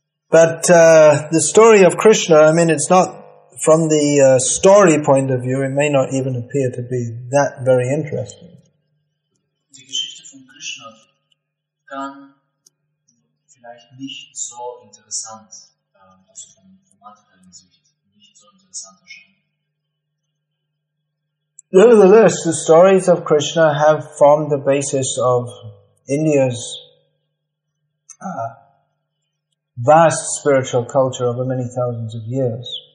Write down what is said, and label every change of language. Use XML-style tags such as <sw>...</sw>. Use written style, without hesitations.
<en>But the story of Krishna, I mean, it's not from the story point of view, it may not even appear to be that very interesting.</en> <de>Die Geschichte von Krishna kann vielleicht nicht so interessant, also von materiellen Sicht nicht so interessant erscheinen.</de> <en>Nevertheless, the stories of Krishna have formed the basis of India's vast spiritual culture over many thousands of years.</en>